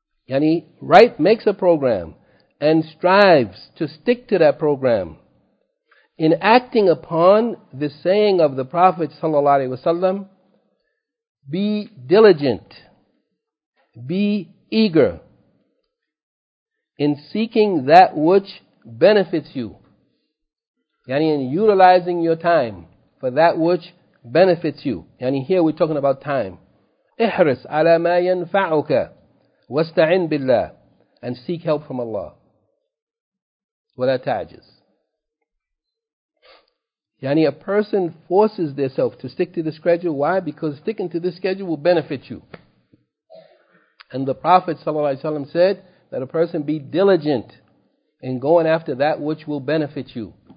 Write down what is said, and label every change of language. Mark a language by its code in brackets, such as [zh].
[en] Yani, right, makes a program and strives to stick to that program in acting upon the saying of the Prophet sallallahu alaihi wasallam, be diligent, be eager in seeking that which benefits you. Yani, in utilizing your time for that which benefits you. Yani, here we're talking about time. [ar] احرص على ما ينفعك واستعن بالله, [en] and seek help from Allah. [ar] ولا تعجز. [en] Yani, a person forces themselves to stick to the schedule. Why? Because sticking to this schedule will benefit you. And the Prophet ﷺ said that a person be diligent in going after that which will benefit you.